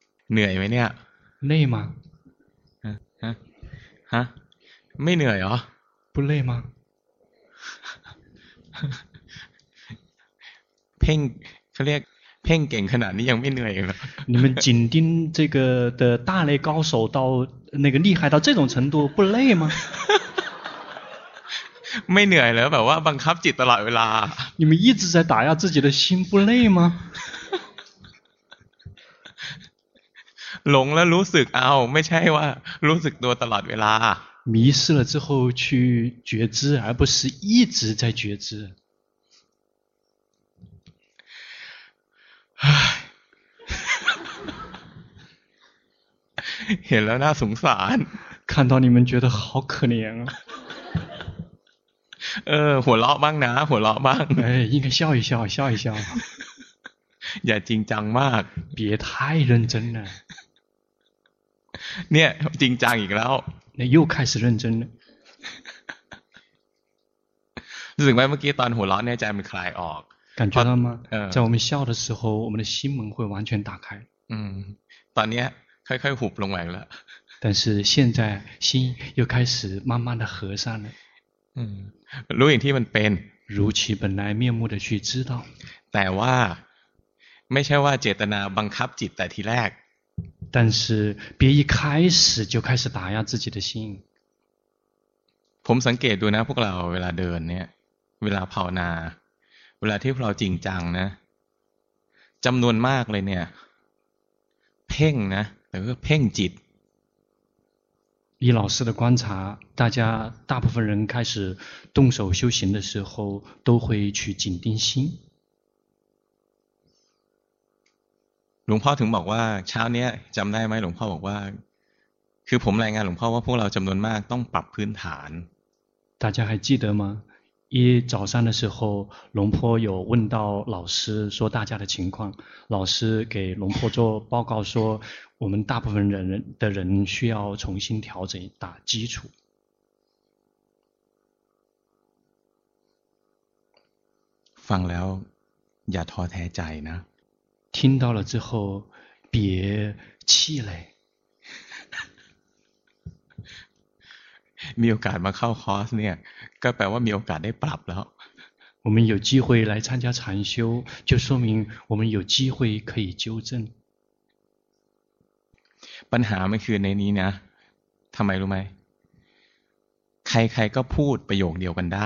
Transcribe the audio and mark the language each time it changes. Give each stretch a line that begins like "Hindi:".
Thai: เหนื่อยไหมเนี่ย
Chinese: 累吗
Thai: ฮะไม่เหนื่อยหรอ
Chinese: 不累吗
Thai: เพ่งเขาเรียกเพ่งเก่งขนาดนี้ยังไม่เหนื่อยเลย
Chinese: 你们紧盯这个的大类高手到那个厉害到这种程度不累吗
Thai: ไม่เหนื่อยเลยแบบว่าบังคับจิตตลอดเวลา
Chinese: 你们一直在打压自己的心不累吗
Thai: หลงแล้วรู้สึกเอาไม่ใช่ว่ารู้สึกตัวตลอดเวลา
Chinese: 迷失了之后去觉知而不是一直在觉知
Thai: เห็นแล้วน่าสงสาร
Chinese: 看到你们觉得好可怜啊
Thai: เออหัวเราะบ้างนะหัวเราะบ้าง
Chinese: เอ้ย应该笑一笑笑一笑
Thai: อย่าจริงจังมาก
Chinese: 别太认真了
Thai: เนี่ยจริงจังอีกแล้ว
Chinese: 那又开始认真了
Thai: รู้สึกไหมเมื่อกี้ตอนหัวเราะเนี่ยใจมันคลายออก
Chinese: 感觉到吗在我们笑的时候我们的心门会完全打开
Thai: ตอนเนี้ยค่อยๆหุบลงไปแล้ว
Chinese: 但是现在心又开始慢慢的合上了
Thai: รู้อย่างที่มันเป็น
Chinese: 如其本来面目的去知道
Thai: แต่ว่าไม่ใช่ว่าเจตนาบังคับจิตแต่ทีแรก
Chinese: 但是别一开始就开始打压自己的心
Thai: ผมสังเกตดูนะพวกเราเวลาเดินเนี่ยเวลาภาวนาเวลาที่เราจริงจังนะจำนวนมากเลยเนี่ยเพ่งนะแต่ก็เพ่งจิต
Chinese: 以老师的观察，大家大部分人开始动手修行的时候，都会去紧盯心。
Thai: 龙婆曾บอกว่าเช้าเนี้ยจำได้ไหมหลวงพ่อบอกว่าคือผมรายงานหลวงพ่อว่าพวกเราจำนวนมากต้องปรับพื้นฐาน。
Chinese: 大家还记得吗？一早上的时候，龙婆有问到老师说大家的情况，老师给龙婆做报告说。我们大部分人的人需要重新调整打基础。
Thai: ฟังแล้วอย่าท้อแท้ใจนะ
Chinese: 听到了之后别气馁
Thai: มีโอกาสมาเข้าคอร์สเนี่ยก็แปลว่ามีโอกาสได้ปรับแล้ว
Chinese: 我们有机会来参加禅修就说明我们有机会可以纠正
Thai: ปัญหาไม่คือในนี้นะทำไมรู้ไหมใครๆก็พูดประโยคเดียวกันได